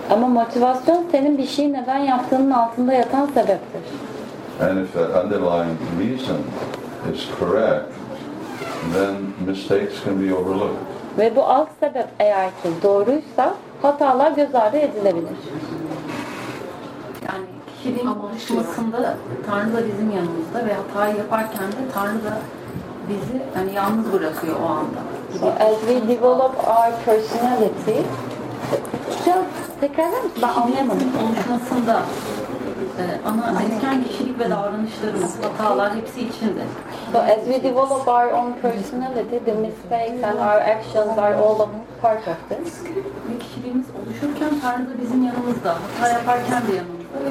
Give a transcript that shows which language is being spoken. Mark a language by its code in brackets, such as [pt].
[tr] Ama motivasyon senin bir şeyi neden yaptığının altında yatan sebeptir. [en] And if the underlying reason is correct, then mistakes can be overlooked. [tr] Ve bu alt sebep eğer ki doğruysa hatalar göz ardı edilebilir. Yani kişinin alışmasında Tanrı da bizim yanımızda ve hatayı yaparken de Tanrı da bizi yani yalnız bırakıyor o anda. [en] So as we develop our personality, [tr] tekrarlar mısın? Ben anlayamadım. Alışmasında ama erken kişilik ve davranışlarımız, hatalar hepsi içinde. [en] So as we develop our own personality, the mistakes and our actions are all a part of this. [tr] Bir kişiliğimiz oluşurken Tanrı da bizim yanımızda, hata yaparken de yanımızda.